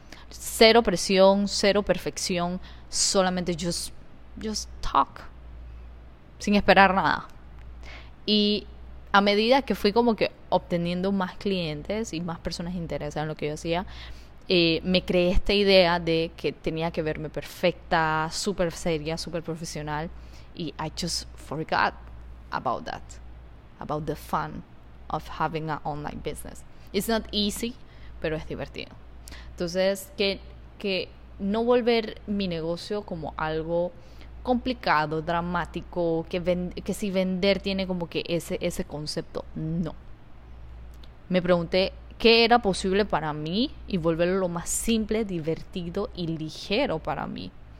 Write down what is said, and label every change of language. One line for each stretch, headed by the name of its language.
Spanish: Cero presión, cero perfección, solamente just talk, sin esperar nada. Y a medida que fui como que obteniendo más clientes y más personas interesadas en lo que yo hacía, me creé esta idea de que tenía que verme perfecta, súper seria, súper profesional.
English: Y I just forgot about that, about the fun of having an online business.
Spanish: It's not easy, pero es divertido. Entonces, que no volver mi negocio como algo complicado, dramático, que si vender tiene como que ese concepto, no. Me pregunté qué era posible para mí y volverlo lo más simple, divertido y ligero para mí.